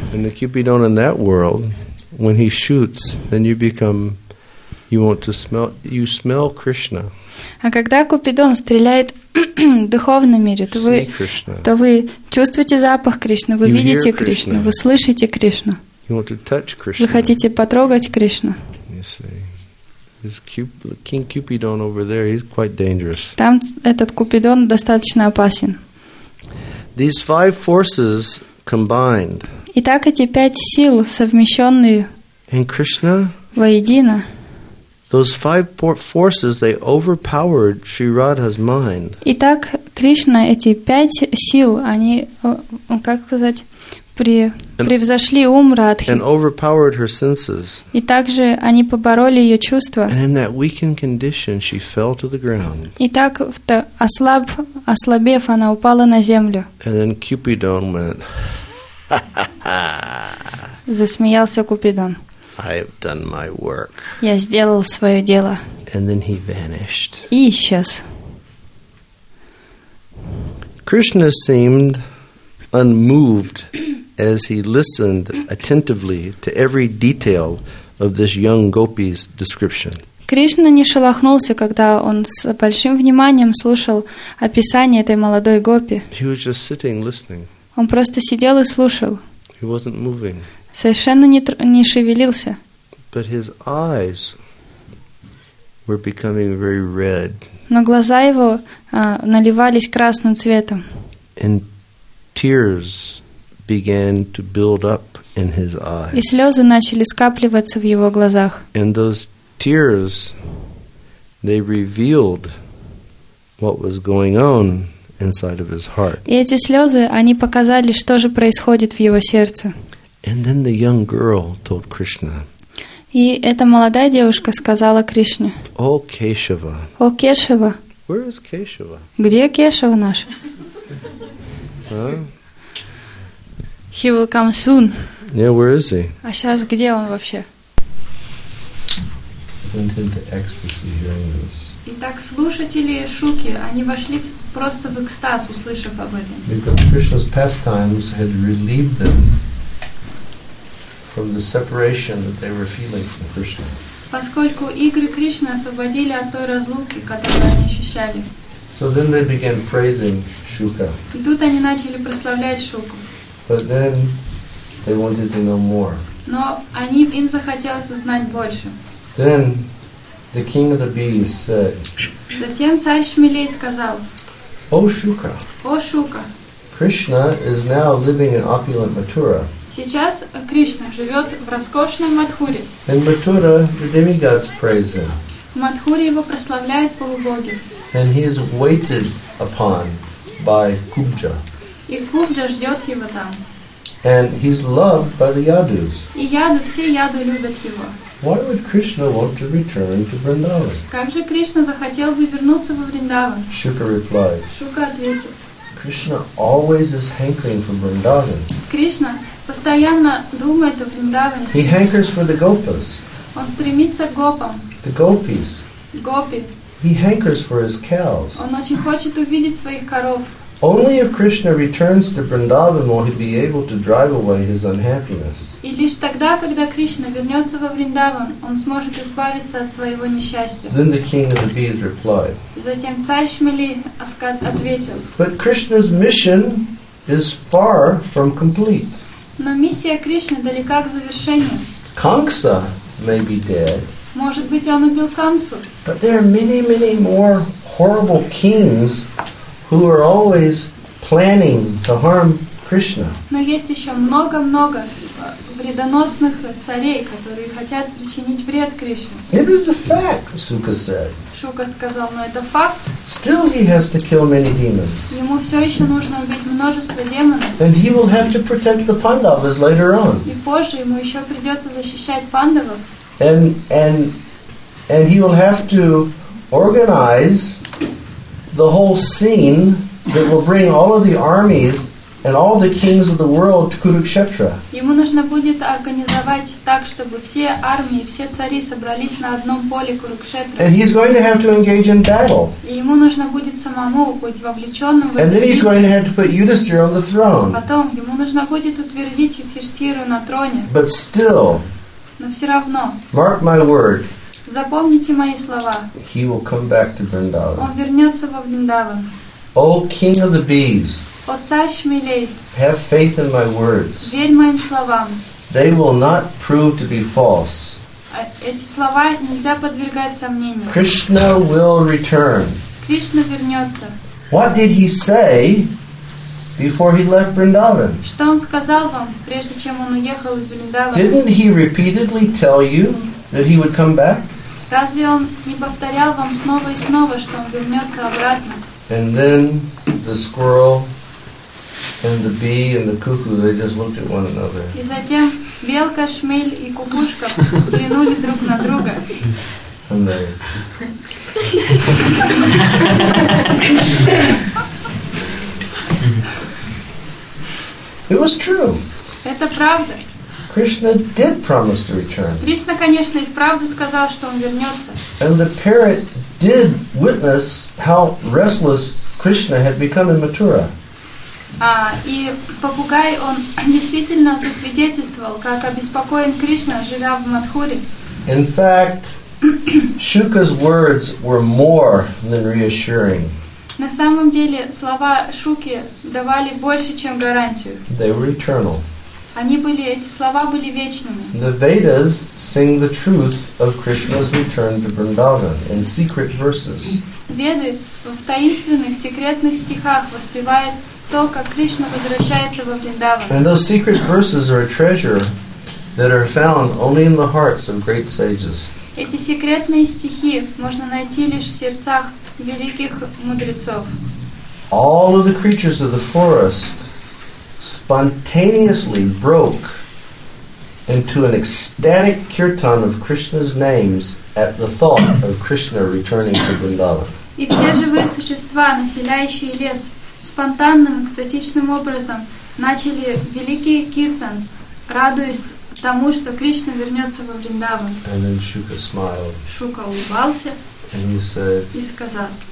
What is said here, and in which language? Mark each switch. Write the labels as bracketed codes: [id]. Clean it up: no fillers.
[en] And the Cupidon in that world, when he shoots, then you become, you want to smell, you smell Krishna. [ru] А когда Купидон стреляет в духовном мире, то вы чувствуете запах Кришны, вы видите Кришну, вы слышите Кришну. [en] You want to touch Krishna. [ru] Вы хотите потрогать Кришну. [en] This King Cupidon over there, he's quite dangerous. [ru] Там этот Купидон достаточно опасен. [en] These five forces combined. [ru] Итак, эти пять сил, совмещенные. [en] And Krishna. [ru] Воедино. [en] Those five forces, they overpowered Shri Radha's mind. [ru] Итак, Кришна, эти пять сил, они, как сказать, превзошли ум Радхи. [en] And overpowered her senses. [ru] И также они побороли ее чувства. [en] And in that weakened condition, she fell to the ground. [ru] И так, ослабев, она упала на землю. [en] And then Cupidon went, [ru] засмеялся Купидон. [en] I have done my work. [ru] Я сделал свое дело. [en] And then he vanished. [ru] И исчез. [en] Krishna seemed unmoved as he listened attentively to every detail of this young gopi's description. [ru] Кришна не шелохнулся, когда он с большим вниманием слушал описание этой молодой гопи. [en] He was just sitting listening. [ru] Он просто сидел и слушал. [en] He wasn't moving. [ru] Совершенно не шевелился. [en] But his eyes were becoming very red. [ru] Но глаза его наливались красным цветом. [en] And tears began to build up in his eyes. [ru] И слезы начали скапливаться в его глазах. [en] And those tears, they revealed what was going on inside of his heart. [ru] И эти слезы, они показали, что же происходит в его сердце. [en] And then the young girl told Krishna. [ru] И эта молодая девушка сказала Кришне. О, Кешава. О, Кешава. [en] Where is Кешава? [ru] Где Кешава наш? [en] Huh? He will come soon. Yeah, where is he? [ru] А сейчас где он вообще? [en] went into ecstasy hearing this. [ru] И так слушатели Шуки, они вошли просто в экстаз, услышав об этом. [en] Because Krishna's pastimes had relieved them from the separation that they were feeling from Krishna. [ru] Поскольку игры Кришны освободили от той разлуки, которую они ощущали. [en] So then they began praising Shuka. [ru] И тут они начали прославлять Шуку. [en] But then they wanted to know more. [ru] Но они, им захотелось узнать больше. [en] Then the king of the bees said. [ru] Затем царь Шмелей сказал. О Шука. О Шука. [en] Krishna is now living in opulent Mathura. [ru] Сейчас Кришна живет в роскошном Матхуре. [en] In Mathura, the demigods praise him. [ru] В Матхуре его прославляют полубоги. [en] And he is waited upon by Kubja. [ru] И Кубджа ждет его там. [en] And he's loved by the Yadus. [ru] И Яду, все Яду любят его. [en] Why would Krishna want to return to Vrindavan? [ru] Как же Кришна захотел бы вернуться во Вриндаван? [en] Шука replied. [ru] Шука ответил. [en] Krishna always is hankering for Vrindavan. [ru] Кришна постоянно думает о Вриндаване. [en] He hankers for the Gopas. [ru] Он стремится к Гопам. [en] The Gopis. [ru] Гопи. [en] He hankers for his cows. [ru] Он очень хочет увидеть своих коров. [en] Only if Krishna returns to Vrindavan will he be able to drive away his unhappiness. [ru] И лишь тогда, когда Кришна вернется во Вриндаван, он сможет избавиться от своего несчастья. [en] Then the king of the bees replied. [ru] Затем царь Шмели ответил. [en] But Krishna's mission is far from complete. [ru] Но миссия Кришны далека к завершению. [en] Kamsa may be dead. [ru] Может быть, он убил Камсу. [en] But there are many, many more horrible kings who are always planning to harm Krishna. [ru] Но есть еще много-много вредоносных царей, которые хотят причинить вред Кришне. [en] It is a fact, Suka said. [ru] Шука сказал, но это факт. [en] Still he has to kill many demons. [ru] Ему все еще нужно убить множество демонов. [en] And he will have to protect the Pandavas later on. [ru] И позже ему еще придется защищать Пандавов. [en] And he will have to organize the whole scene that will bring all of the armies and all the kings of the world to Kurukshetra. [ru] Ему нужно будет организовать так, чтобы все армии, все цари собрались на одном поле Курукшетра. [en] And he's going to have to engage in battle. [ru] И ему нужно будет самому быть вовлеченным в эту битву. [en] And then he's going to have to put Yudhishthira on the throne. [ru] Потом ему нужно будет утвердить Юдхиштхиру на троне. [en] But still. [ru] Но все равно. [en] Mark my word. [ru] Запомните мои слова. [en] He will come back to Vrindavan. [ru] Он вернется во Вриндаван. [en] O king of the bees. [ru] О царь Шмелей. [en] Have faith in my words. [ru] Верь моим словам. [en] They will not prove to be false. [ru] Эти слова нельзя подвергать сомнению. [en] Krishna will return. [ru] Кришна вернется. [en] What did he say before he left Vrindavan? [ru] Что он сказал вам, прежде чем он уехал из Вриндавана? [en] Didn't he repeatedly tell you that he would come back? [ru] Разве он не повторял вам снова и снова, что он вернется обратно? [en] And then the squirrel and the bee and the cuckoo, they just looked at one another. [ru] И затем белка, шмель и кукушка взглянули друг на друга. [en] And they... It was true. [ru] Это правда. [en] Krishna did promise to return. [ru] Кришна, конечно, и вправду сказал, что он вернется. [en] And the parrot did witness how restless Krishna had become in Mathura. [ru] И попугай, он действительно засвидетельствовал, как обеспокоен Кришна, живя в Матхуре. [en] In fact, Shuka's words were more than reassuring. [ru] На самом деле, слова Шуки давали больше, чем гарантию. [en] They were eternal. [ru] Они были, эти слова были вечными. [en] The Vedas sing the truth of Krishna's return to Vrindavan in secret verses. [ru] Веды в таинственных, секретных стихах воспевают то, как Кришна возвращается во Вриндаван. [en] And those secret verses are a treasure that are found only in the hearts of great sages. [ru] Эти секретные стихи можно найти лишь в сердцах великих мудрецов. [en] All of the creatures of the forest spontaneously broke into an ecstatic kirtan of Krishna's names at the thought of Krishna returning to Vrindavan. [ru] И все живые существа, населяющие лес, спонтанным, экстатичным образом начали великий киртан, радуясь саму, что Кришна вернется во Вриндаван. [en] And then Shuka smiled. [ru] Шука улыбался. [en] And he said, [ru] и сказал,